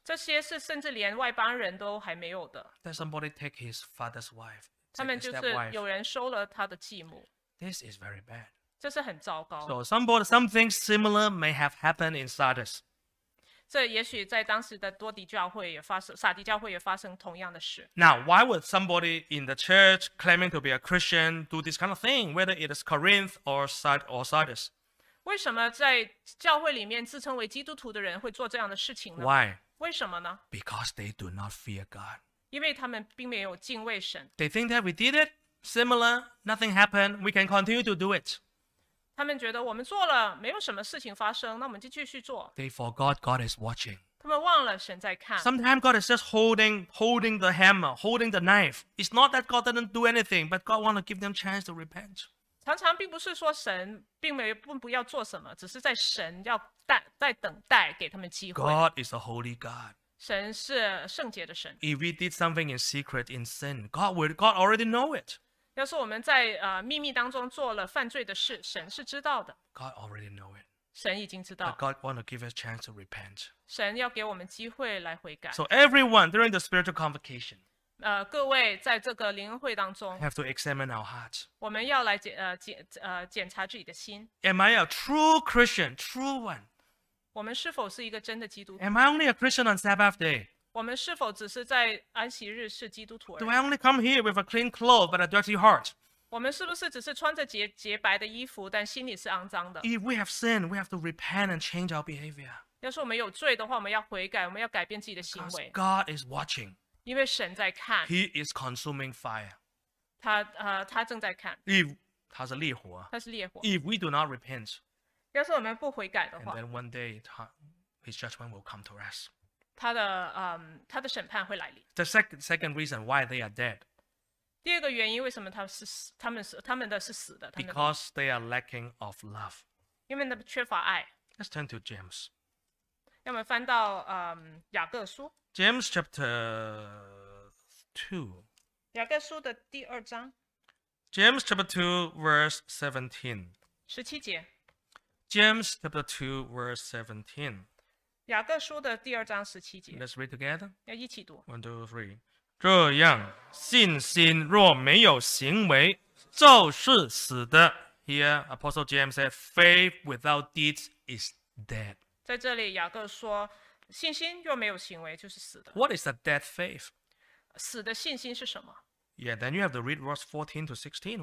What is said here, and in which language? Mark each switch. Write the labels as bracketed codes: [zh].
[zh] 这些是甚至连外邦人都还没有的。 [en] Then somebody take his father's wife. [zh] 他们就是有人收了他的继母。 [en] This is very bad. [zh] 这是很糟糕。 [en] So something similar may have happened in Sardis. [zh] 这也许在当时的多迪教会也发生，撒迪教会也发生同样的事。 [en] Now, why would somebody in the church claiming to be a Christian do this kind of thing, whether it is Corinth or Sardis? [zh] 为什么在教会里面自称为基督徒的人会做这样的事情呢 [en] ？Why? [zh] 为什么呢 [en] ？Because they do not fear God. [zh] 因为他们并没有敬畏神。 [en] They think that we did it. Similar, nothing happened. We can continue to do it. [zh] 他们觉得我们做了没有什么事情发生，那我们就继续做。 [en] They forgot God is watching. [zh] 他们忘了神在看。 [en] Sometimes God is just holding the hammer, holding the knife. It's not that God didn't do anything, but God wants to give them chance to repent. [zh] 常常并不是说神并没有不要做什么，只是在神要在等待给他们机会。 [en] God is a holy God. [zh] 神是圣洁的神。 [en] If we did something in secret in sin, God already know it. [zh] 要是我们在秘密当中做了犯罪的事，神是知道的。 [en] God already know it. [zh] 神已经知道。 [en] But God want to give us chance to repent. [zh] 神要给我们机会来悔改。 [en] So everyone during the spiritual convocation, [zh] 各位在这个灵恩会当中 [en] ，have to examine our hearts. [zh] 我们要来检查自己的心。 [en] Am I a true Christian, true one? [zh] 我们是否是一个真的基督徒 [en] ？Am I only a Christian on Sabbath day？ [zh] 我们是否只是在安息日是基督徒 [en] ？Do I only come here with a clean cloth but a dirty heart？ [zh] 我们是不是只是穿着洁白的衣服，但心里是肮脏的 [en] ？If we have sinned, we have to repent and change our behavior. [zh] 要是我们有罪的话，我们要悔改，我们要改变自己的行为。 [en] Because God is watching. [zh] 因为神在看。 [en] He is consuming fire. [zh] 他正在看。 [en] If [zh] 他是烈火。他是烈火。 [en] If we do not repent. [zh] 要是我们不悔改的话 [en] ，And then one day, his judgment will come to us. [zh] 他的审判会来临。 [en] The second reason why they are dead. [zh] 第二个原因为什么他们是死的 [en] ？Because they are lacking of love. [zh] 因为他们缺乏爱。 [en] Let's turn to James. [zh] 要么翻到雅各书。 [en] James chapter 2. [zh] 雅各书的第二章。 [en] James chapter 2 verse 17. [zh] 十七节。 [en] James chapter 2 verse 17. [zh] 雅各书的第二章十七节。 [en] Let's read together. [zh] 要一起读。 [en] One, two, three. [zh] 这样，信心若没有行为，就是死的。 [en] Here, Apostle James said, "Faith without deeds is dead." [zh] 在这里，雅各说，信心若没有行为，就是死的。 [en] What is a dead faith? [zh] 死的信心是什么？ [en] Yeah, then you have to read verse 14 to 16.